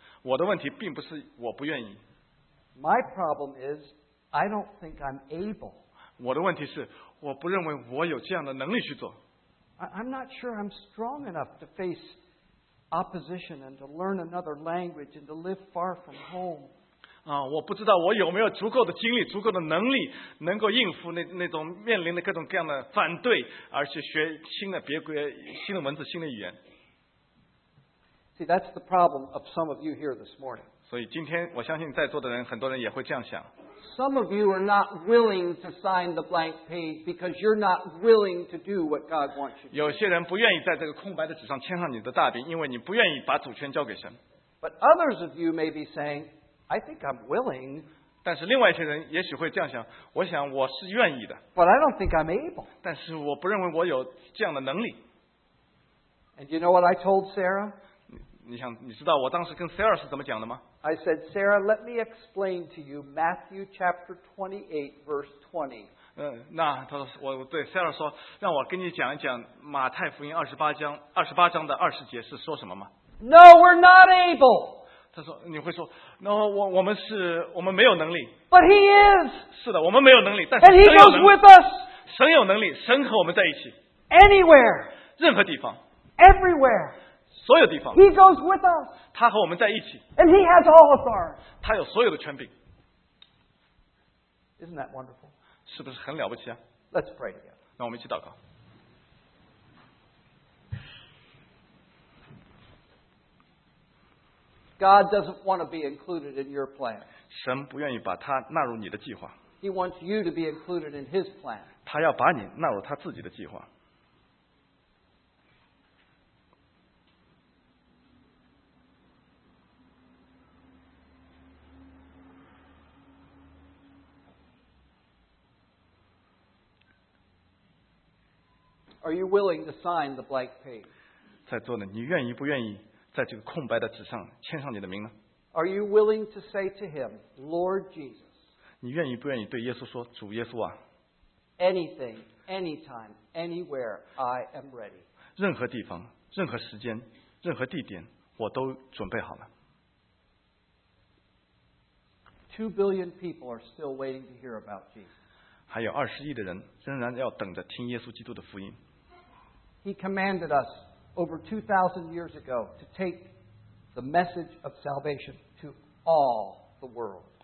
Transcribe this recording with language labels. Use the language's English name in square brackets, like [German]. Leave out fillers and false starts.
[Chinese] 我的问题并不是我不愿意。 [English] My problem is I don't think I'm able. [Chinese] 我的问题是，我不认为我有这样的能力去做。 [English] I'm not sure I'm strong enough to face opposition and to learn another language and to live far from home. [Chinese] 我不知道我有没有足够的精力、足够的能力，能够应付那种面临的各种各样的反对，而且学新的文字、新的语言。 [English] See, that's the problem of some of you here this morning. [Chinese] 所以今天，我相信在座的人，很多人也会这样想。 [English] Some of you are not willing to sign the blank page because you're not willing to do what God wants you to do. [Chinese] 有些人不愿意在这个空白的纸上签上你的大饼，因为你不愿意把主权交给神。 [English] But others of you may be saying, I think I'm willing. [Chinese] 但是另外一些人也许会这样想，我想我是愿意的。 [English] But I don't think I'm able. [Chinese] 但是我不认为我有这样的能力。 [English] And you know what I told Sarah? [Chinese] 你知道我当时跟 Sarah 是怎么讲的吗？ [English] I said, Sarah, let me explain to you Matthew chapter 28, verse 20. [Chinese] 那他对 Sarah 说，让我跟你讲一讲马太福音28章的20节是说什么吗 [English] ？No, we're not able. [Chinese] 他说你会说 ，No, 我们没有能力。 [English] But he is. [Chinese] 是的，我们没有能力，但是神有能力。 [English] And he goes with us. [Chinese] 神有能力，神和我们在一起。 [English] Anywhere. [Chinese] 任何地方。 [English] Everywhere. [Chinese] 所有地方。 [English] He goes with us. [Chinese] 他和我们在一起。 [English] And he has all authority. [Chinese] 他有所有的权柄。 [English] Isn't that wonderful? [Chinese] 是不是很了不起啊？ [English] Let's pray together. [Chinese] 那我们一起祷告。 [English] God doesn't want to be included in your plan. [Chinese] 神不愿意把他纳入你的计划。 [English] He wants you to be included in his plan. [Chinese] 他要把你纳入他自己的计划。 [English] Are you willing to sign the blank page? [Chinese] 在座的, 你愿意不愿意 在这个空白的纸上签上你的名呢? [English] Are you willing to say to him, Lord Jesus? [Chinese] 你愿意不愿意对耶稣说, 主耶稣啊? [English] Anything, anytime, anywhere, I am ready. [Chinese] 任何地方, 任何时间, 任何地点, 我都准备好了。 [English] 2 billion people are still waiting to hear about Jesus. [Chinese] 还有20亿的人仍然要等着听耶稣基督的福音。 [English] He commanded us over 2,000 years ago to take the message of salvation to all the world.